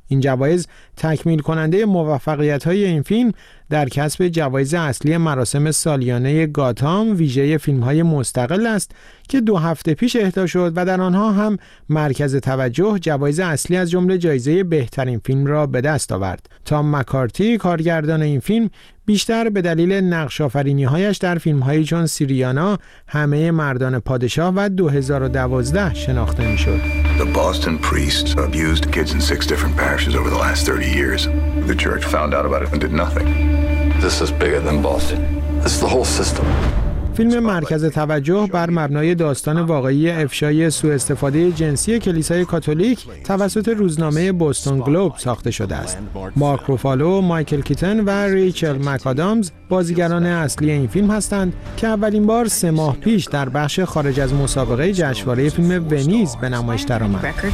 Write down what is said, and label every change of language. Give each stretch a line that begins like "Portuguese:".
Persian: این جوایز تکمیل کننده موفقیت‌های این فیلم در کسب جوایز اصلی مراسم سالیانه گاتام ویژه فیلم‌های مستقل است که دو هفته پیش اهدا شد و در آنها هم مرکز توجه جوایز اصلی از جمله جایزه بهترین فیلم را به دست آورد. تام مکارتی کارگردان این فیلم بیشتر به دلیل نقش‌آفرینی‌هایش در فیلم‌های چون سیریانا، همه مردان پادشاه و 2012 شناخته می‌شد.
English: The Boston priest abused kids in six different parishes over the last 30 years. The church found out about it and did nothing. This is bigger than Boston. This is the whole system.
Persian: فیلم مرکز توجه بر مبنای داستان واقعی افشای سوء استفاده جنسی کلیسای کاتولیک توسط روزنامه بوستون گلوب ساخته شده است. مارک روفالو، مایکل کیتن و ریچل مک‌آدامز بازیگران اصلی این فیلم هستند که اولین بار 3 ماه پیش در بخش خارج از مسابقه جشنواره فیلم ونیز به نمایش درآمد.